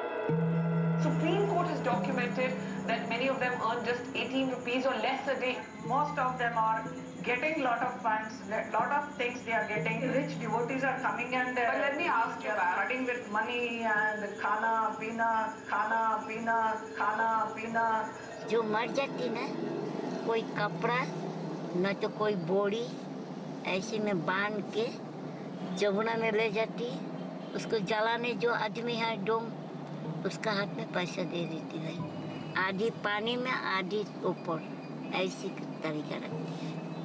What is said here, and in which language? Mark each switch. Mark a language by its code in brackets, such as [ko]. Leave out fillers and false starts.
[en] Supreme Court has documented that many of them earn just 18 rupees or less a day. Most of them are getting lot of funds, lot of things they are getting. Rich devotees are coming and but let me ask you, starting with money and [hi] khana peena, khana peena, khana peena. जो मर जाती ना, कोई कपड़ा ना तो कोई बोड़ी ऐसी में बांध के जमुना में ले जाती, उसको जलाने जो आदमी है डोम उसका हाथ में पैसा दे देती है, आधी पानी में आधी ऊपर, ऐसी तरीका रखती है।